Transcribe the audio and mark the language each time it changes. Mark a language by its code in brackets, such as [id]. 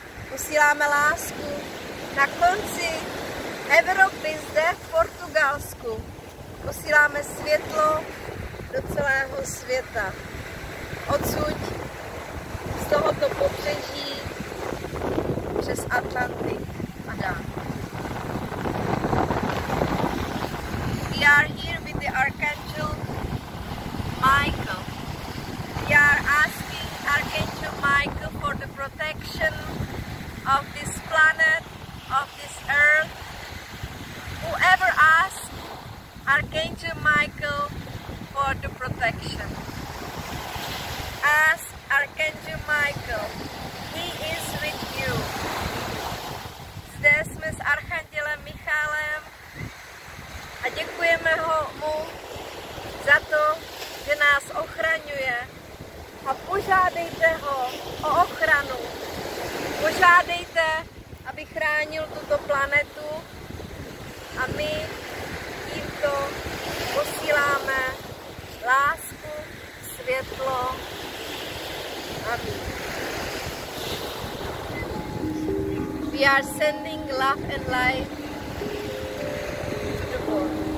[cs] Posíláme lásku na konci Evropy, zde v Portugalsku. Posíláme světlo do celého světa. Odsud, z tohoto pobřeží, přes Atlantik a dál. [en] We are here with the Archangel Michael. We are asking Archangel Michael for the protection of this planet, of this earth. Whoever asks Archangel Michael for the protection, ask Archangel Michael, he is with you. [cs] Zde jsme s Archandělem Michálem a děkujeme mu za to, že nás ochraňuje, a požádejte ho o ochranu. Požádejte, aby chránil tuto planetu, a my tímto posíláme lásku, světlo a mír. [en] We are sending love and light to the world.